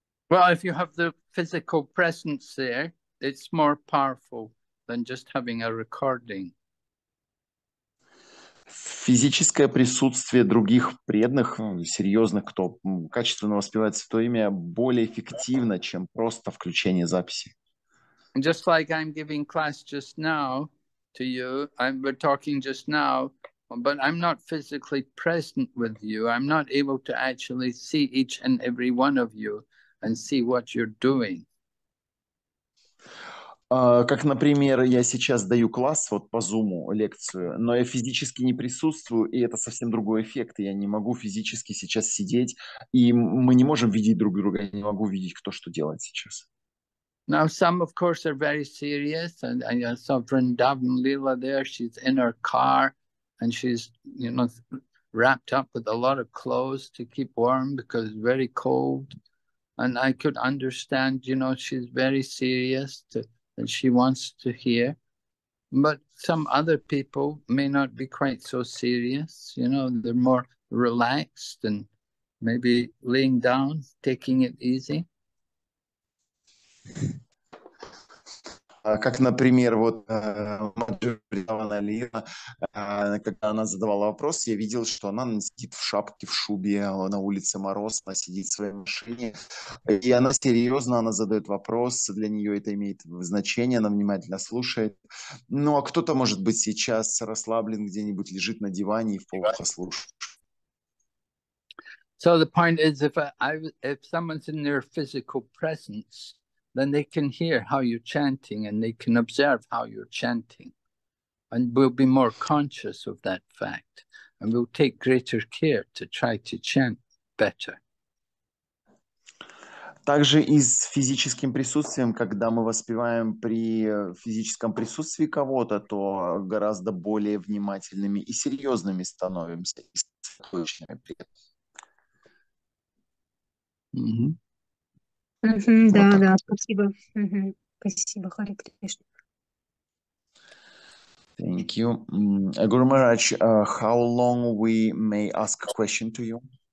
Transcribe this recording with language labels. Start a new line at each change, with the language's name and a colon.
English: Well, if you have the physical presence there, it's more powerful than just having a recording.
Russian: Физическое присутствие других преданных, серьезных, кто качественно воспевает Святое Имя, более эффективно, чем просто включение записи.
English: Just like I'm giving class just now to you, we're talking just now. But I'm not physically present with you. I'm not able to actually see each and every one of you and see what you're doing.
Russian: Как, например, я сейчас даю класс вот по Zoom, лекцию, но я физически не присутствую, и это совсем другой эффект. Я не могу физически сейчас сидеть, и мы не можем видеть друг друга. Я не могу видеть, кто что делает сейчас.
English: Now, some, of course, are very serious. And I saw Vrindavan Lila there. She's in her car. And she's, you know, wrapped up with a lot of clothes to keep warm because it's very cold. And I could understand, you know, she's very serious and she wants to hear. But some other people may not be quite so serious. You know, they're more relaxed and maybe laying down, taking it easy.
Russian: Как, например, вот Мадхурина Лира, когда она задавала вопрос, я видел, что она сидит в шапке, в шубе, на улице мороз, она сидит в своей машине, и она серьезно, она задает вопрос, для нее это имеет значение, она внимательно слушает. Ну, а кто-то, может быть, сейчас расслаблен, где-нибудь лежит на диване и вполуха слушает.
English: So the point is, if someone's in their physical presence, then they can hear how you're chanting and they can observe how you're chanting. And we'll be more conscious of that fact. And we'll take greater care to try to chant better.
Russian: Также и с физическим присутствием, когда мы воспеваем при физическом присутствии кого-то, то гораздо более внимательными и серьезными становимся. И сосредоточенными при этом. Да, спасибо. Спасибо, Харе Кришна.
English: Thank you. Guru Maharaj, how long we may ask a question to you?